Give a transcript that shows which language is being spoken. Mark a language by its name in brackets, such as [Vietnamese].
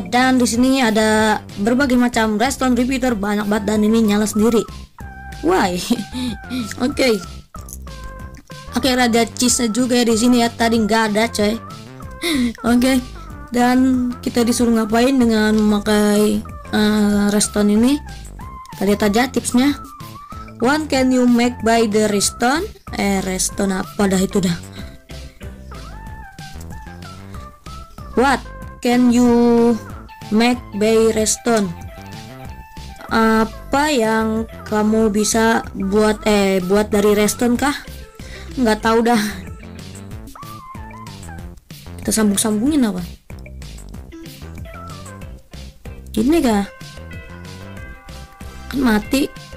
[Indonesian] Dan di sini ada berbagai macam redstone repeater banyak banget dan ini nyala sendiri. Why? Okay. Oke, ada cheese-nya juga ya di sini ya. Tadi nggak ada, coy. Oke. Dan kita disuruh ngapain dengan memakai redstone ini? Tadi aja tipsnya. [English] One can you make by the redstone? [Indonesian] Redstone apa dah itu dah? [English] What can you make by redstone? [Indonesian] Apa yang kamu bisa buat buat dari redstone kah? Nggak tahu dah. Kita sambungin apa ini kah? Kan mati.